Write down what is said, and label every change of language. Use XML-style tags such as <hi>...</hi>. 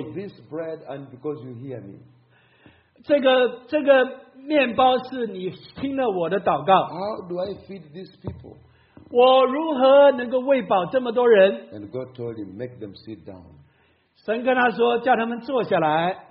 <en>for this bread and because you hear me.</en> <zh>这个面包是你听了我的祷告。</zh> <en>How do I feed these people?</en> <zh>我如何能够喂饱这么多人?</zh> <en>And God told him, make them sit down.</en> <zh>神跟他说, 叫他们坐下来。</zh>